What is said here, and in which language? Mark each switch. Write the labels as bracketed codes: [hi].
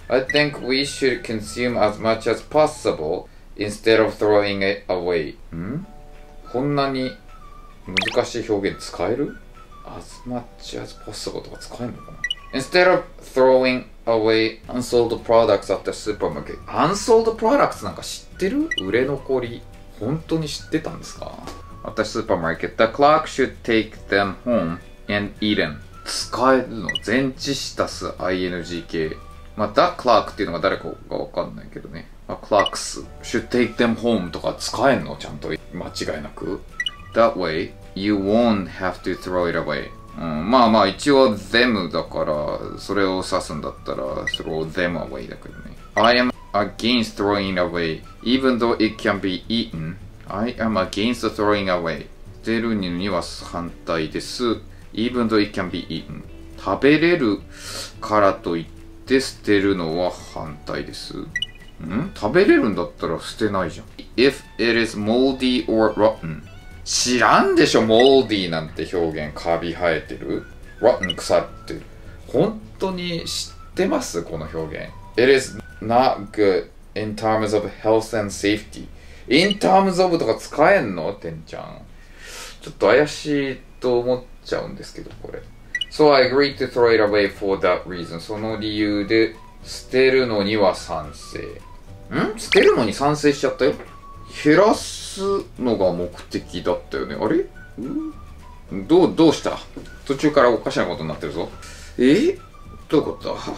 [en] I think we should consume as much as possible instead of throwing it away. ん？ [ja] こんなに難しい表現使える？ [en] As much as possible [ja] とか使えんのかな。 [en] Instead of throwing away unsold products at the supermarket。 Unsold products [ja] なんか知ってる？売れ残り本当に知ってたんですか？ [en] At the supermarket, the clerk should take them home and eat them。 [ja] 使えるの？前置詞足す ingk。まあ、the clerk っていうのが誰かが分かんないけどね。まあ、 [en] clerks should take them home [ja] とか使えんの？ちゃんと間違いなく。 [en] That wayYou won't have to throw it away、 [ja] まあまあ一応 them だからそれを指すんだったら [en] throw them away [ja] だけどね。 [en] I am against throwing away even though it can be eaten。 I am against throwing away。 [ja] 捨てるには反対です。 [en] even though it can be eaten。 [ja] 食べれるからといって捨てるのは反対です。ん？食べれるんだったら捨てないじゃん。 [en] If it is moldy or rotten。 [ja] 知らんでしょ、モーディーなんて表現、カビ生えてる、rotten、腐ってる。本当に知ってます、この表現。 [en] It is not good in terms of health and safety。 in terms of [ja] とか使えんの、てんちゃん。ちょっと怪しいと思っちゃうんですけど、これ。 [en] So I agreed to throw it away for that reason。 [ja] その理由で捨てるのには賛成。ん？捨てるのに賛成しちゃったよ。減らすのが目的だったよね。あれ？どうした？途中からおかしなことになってるぞ。え？どういうことだ？